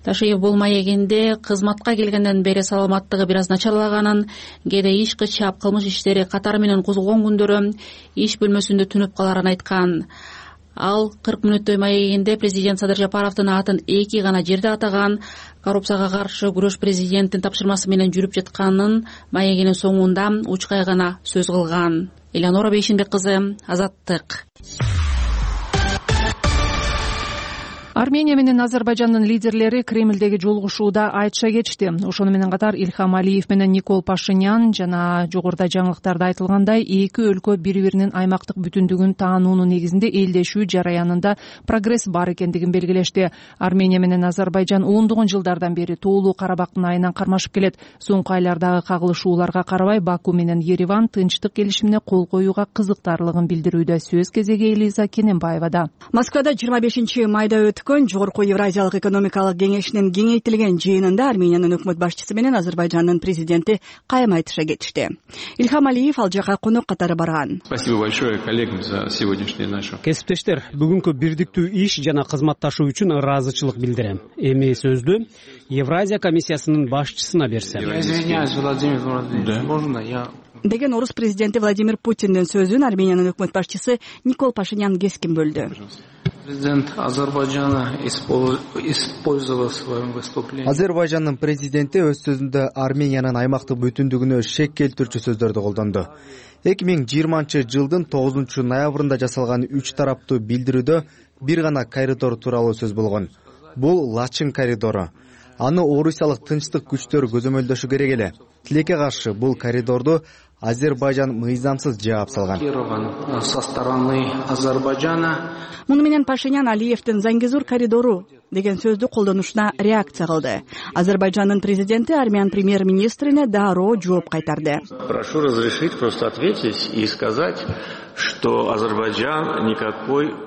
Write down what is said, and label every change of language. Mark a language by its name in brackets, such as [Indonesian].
[Kyrgyz] Ташиев бул маегинде кызматка келгенден бери саламаттыгы бир аз начарлаганын, кээде иш кычаап кылмыш иштери катары менен козголгон күндөрү иш бөлмөсүндө түнөп каларын айткан. Ал 40 мүнөттөй маегинде президент Садыр Жапаровдун атын эки гана жерде атаган, коррупцияга каршы күрөш президенттин тапшырмасы менен жүрүп жатканын маегинин соңунда учкай гана сөз кылган. Элеонора Бейшенбек кызы, Азаттык. Армения менен Азербайджандын лидерлери Кремлдеги жолугушууда айтыша кетишти. Ошону менен катар Ильхам Алиев менен Никол Пашинян жана жогоруда жаңылыктарда айтылгандай, эки өлкө бири-биринин аймактык бүтүндүгүн таануунун негизинде элдешүү жараянында прогресс бар экендигин белгилешти. Армения менен Азербайджан ондогон жылдардан бери Тоолуу Карабактын айынан кармашып келет. Соңку айлардагы кагылышууларга карабай, Баку менен Ереван тынчтык келишимине кол коюуга кызыктарлыгын билдирүүдө. Сөз кезеги Элиза Кененбаевада. Москвада 25-майда өткөн Жогорку Евразиялык экономикалык кеңешинин кеңейтилген жыйынында Армениянын өкмөт башчысы менен Азербайджандын президенти кайым айтыша кетишти. Ильхам Алиев ал жака конок катары барган. [Russian] Спасибо большое коллегам за сегодняшнее наше. [Kyrgyz] Кесиптештер, бүгүнкү бирдиктүү иш жана кызматташуу үчүн ыраазычылык билдирем. Эми сөздү Евразия комиссиясынын башчысына берсем. [Russian] Извиняюсь, Владимир Владимирович. Можно я [Kyrgyz] деген орус президенти Владимир Путиндин сөзүн Армениянын өкмөт башчысы Никол Пашинян кескин бөлдү. [Russian] Президент Азербайджана использовал в своем выступлении. [Kyrgyz] Азербайджандын президенти өз сөзүндө Армениянын аймактык бүтүндүгүнө шек келтирүүчү сөздөрдү колдонду. 2020 жылдын 9 ноябрында жасалган үч тараптуу билдирүүдө бир гана коридор тууралуу сөз болгон. Бул Лачын коридору. Аны орусиялык тынчтык күчтөр көзөмөлдөшү керек эле. Тилекке каршы бул коридорду Азербайджан мыйзамсыз жаап салган. [Russian] Со стороны Азербайджана. [Kyrgyz] Муну менен Пашинян Алиевдин Зангезур коридору деген сөздү колдонушуна реакция кылды. Азербайджандын президенти армян премьер-министрине дароо жооп кайтарды. [Russian] Прошу разрешить просто ответить и сказать, что Азербайджан никакой.